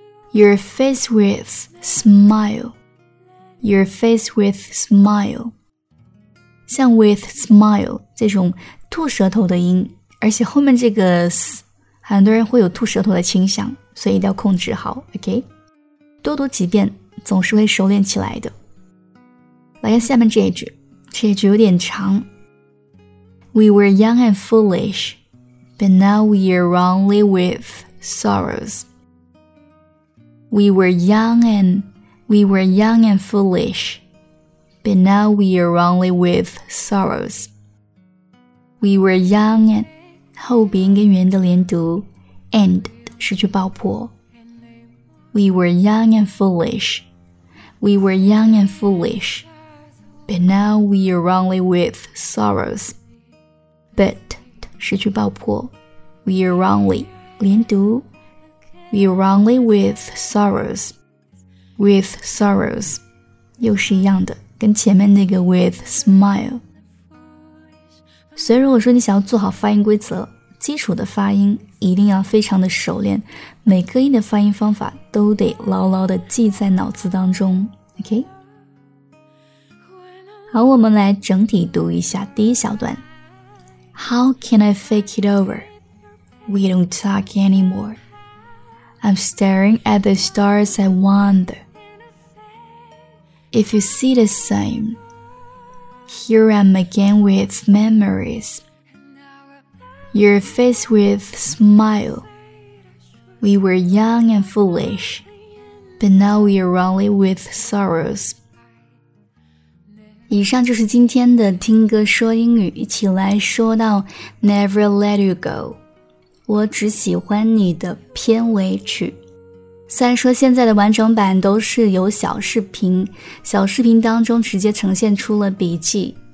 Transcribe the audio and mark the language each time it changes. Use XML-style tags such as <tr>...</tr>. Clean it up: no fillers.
<en>Your face with smileYour face with smile</en> <zh>像 with smile 这种吐舌头的音，而且后面这个 s 很多人会有吐舌头的倾向，所以一定要控制好 OK 多读几遍总是会熟练起来的。来看下面这一句，这一句有点长。</zh> <en>We were young and foolish But now we are wrongly with sorrows We were young and foolish, but now we are only with sorrows. We were young and</en> <zh>后鼻音跟元的连读 and 是句爆破。</zh> <en>We were young and foolish. We were young and foolish. But now we are only with sorrows.</en> <zh>But 是句爆破。</zh> <en>We are only</en> <zh>连读。</zh> <en>We are only with sorrows. With sorrows.</en> <zh>又是一样的跟前面那个 with smile。所以如果说你想要做好发音规则，基础的发音一定要非常的熟练，每个音的发音方法都得牢牢的记在脑子当中 OK 好，我们来整体读一下第一小段。</zh> <en>How can I fake it over? We don't talk anymore. I'm staring at the stars I wonder. If you see the same, here I am again with memoriesYour face with smile. We were young and foolish, but now we are only with sorrows.</en> <zh>以上就是今天的听歌说英语，一起来说到 Never Let You Go. 我只喜欢你的片尾曲。虽然说现在的完整版都是由小视频，小视频当中直接呈现出了笔记。</zh>